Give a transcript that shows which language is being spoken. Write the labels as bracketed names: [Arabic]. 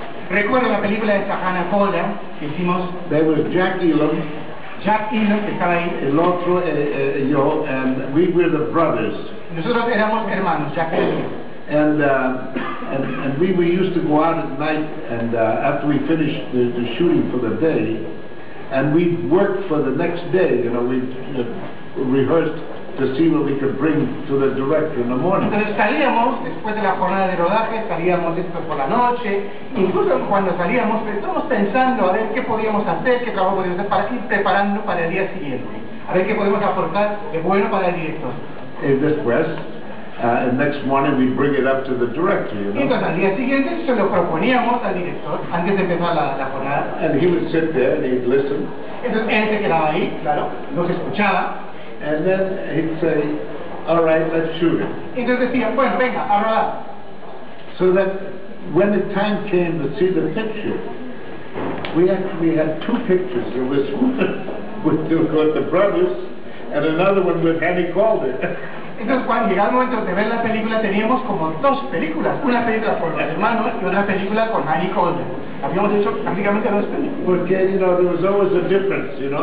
[Spanish] Recuerdo la película de Hannah Colder que hicimos. [English] There was Jack Elam. [Spanish] Jack Elam que estaba ahí. El otro, yo, [English] and we were the brothers. [Spanish] Nosotros éramos hermanos, Jack Elam. [English] And we used to go out at night and after we finished the shooting for the day, and we'd work for the next day. You know, we rehearsed to see what we could bring to the director in the morning. [Spanish] Entonces salíamos después de la jornada de rodaje, salíamos después por la noche, incluso cuando salíamos, estábamos pensando a ver qué podíamos hacer, qué trabajo podíamos hacer para ir preparando para el día siguiente, a ver qué podemos aportar de bueno para el director. Y después, [English] and next morning we bring it up to the director, you know. [Spanish] Y entonces al día siguiente se lo proponíamos al director antes de empezar la jornada. [English] And he would sit there and he'd listen. [Spanish] Entonces él se quedaba ahí, claro, nos escuchaba. [English] And then he'd say, all right, let's shoot it. [Spanish] Entonces decía, bueno, venga, a rodar. [English] So that when the time came to see the picture, we actually had two pictures. It was one with the brothers and another one with Hannah Colder. [Spanish] Entonces cuando llegaba el momento de ver la película, teníamos como dos películas. Una película con los hermanos y otra película con Hannah Colder. Habíamos hecho prácticamente dos películas. [English] Porque, you know, there was always a difference, you know.